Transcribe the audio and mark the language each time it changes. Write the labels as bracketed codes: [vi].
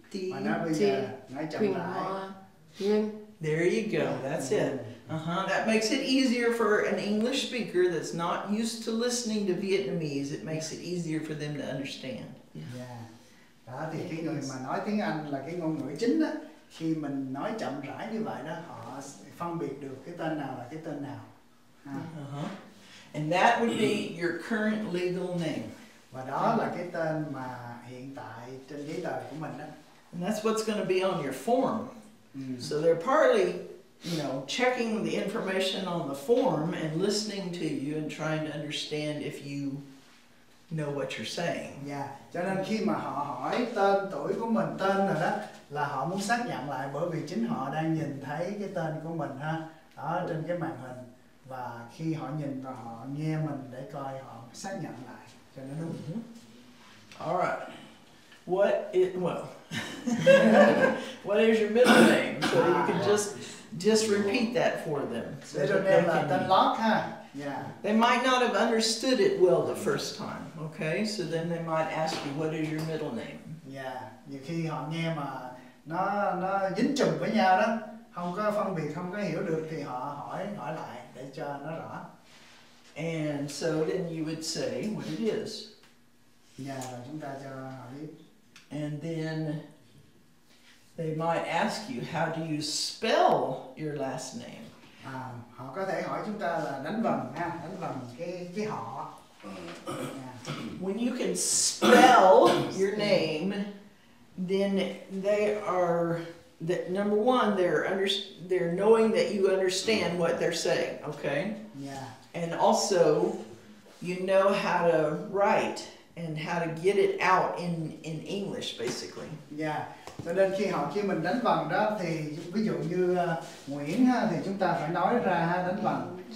[vi] Mà nói bây giờ, nói chậm lại. [en] There you go. That's it. That makes it easier for an English speaker that's not used to listening to Vietnamese. It makes it easier for them to understand. Yeah. [vi] Đó thì cái người mà nói tiếng Anh là cái ngôn ngữ chính đó, khi mình nói chậm rãi như vậy đó, họ phân biệt được cái tên nào là cái tên nào. [en] And that would be your current legal name. [vi] Và đó là cái tên mà hiện tại trên giấy tờ của mình đó. [en] And that's what's going to be on your form. So they're partly, you know, checking the information on the form and listening to you and trying to understand if you know what you're saying. Yeah. [vi] Cho nên khi mà họ hỏi tên tuổi của mình tên rồi đó, là họ muốn xác nhận lại bởi vì chính họ đang nhìn thấy cái tên của mình ha, đó trên cái màn hình, và khi họ nhìn và họ nghe mình để coi họ xác nhận lại cho nó đúng. [en] All right. What it well? What is your middle name? So you can just repeat that for them. So middle name like the lock, huh? Yeah. They might not have understood it well the first time. Okay, so then they might ask you, "What is your middle name?" Yeah. [vi] Nhiều khi họ nghe mà nó dính chùm với nhau đó, không có phân biệt, không có hiểu được thì họ hỏi lại để cho nó rõ. [en] And so then you would say what it is. [vi] Yeah, rồi chúng ta cho họ biết. [en] And then they might ask you, how do you spell your last name? [vi] Họ có thể hỏi chúng ta là đánh vần cái họ. [en] Yeah. When you can spell your name, then they are that number one, they're knowing that you understand what they're saying, okay? Yeah. And also you know how to write and how to get it out in English, basically. Yeah. [vi] Cho nên khi mình đánh vần đó, thì ví dụ như Nguyễn ha, thì chúng ta phải nói ra ha, đánh vần.